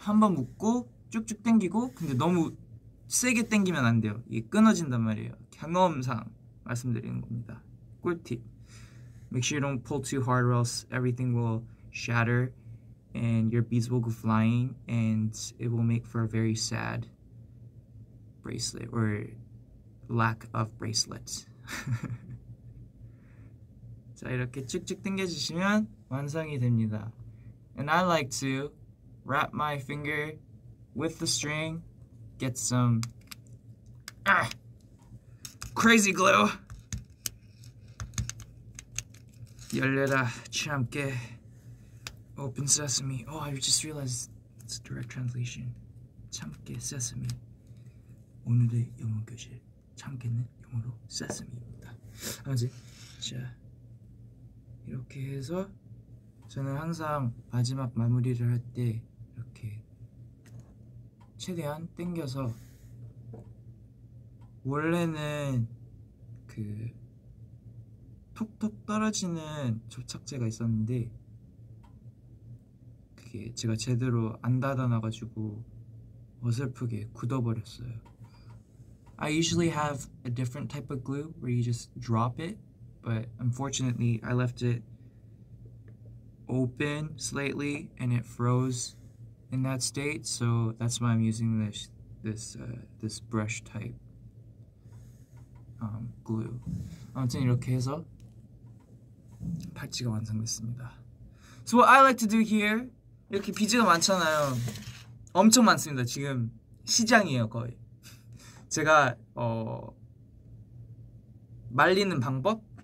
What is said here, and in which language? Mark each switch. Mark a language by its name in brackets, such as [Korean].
[Korean] 한번 묶고 쭉쭉 당기고, 근데 너무 세게 당기면 안 돼요. 이게 끊어진단 말이에요. 경험상 말씀드리는 겁니다. 꿀팁. [English] Make sure you don't pull too hard, or else everything will shatter, and your beads will go flying, and it will make for a very sad bracelet or lack of bracelets. [Korean] 자, 이렇게 쭉쭉 당겨주시면 완성이 됩니다. [English] And I like to wrap my finger with the string, get some crazy glue. [Korean] 열려라, 참깨. [English] Open sesame. Oh, I just realized it's a direct translation. [Korean] 참깨, sesame. 오늘의 영어 교실. 참깨는 영어로 sesame입니다. 아무튼, 자. 이렇게 해서 저는 항상 마지막 마무리를 할때 이렇게 최대한 당겨서 원래는 그 톡톡 떨어지는 접착제가 있었는데 그게 제가 제대로 안 닫아놔가지고 어설프게 굳어버렸어요. [English] I usually have a different type of glue where you just drop it, but unfortunately I left it open slightly and it froze in that state, so that's why I'm using this brush type glue. [Korean] 아무튼 이렇게 해서 팔찌가 완성됐습니다. [English] So what I like to do here, [Korean] 이렇게 비즈가 많잖아요. 엄청 많습니다. 지금 시장이에요, 거의. 제가 말리는 방법?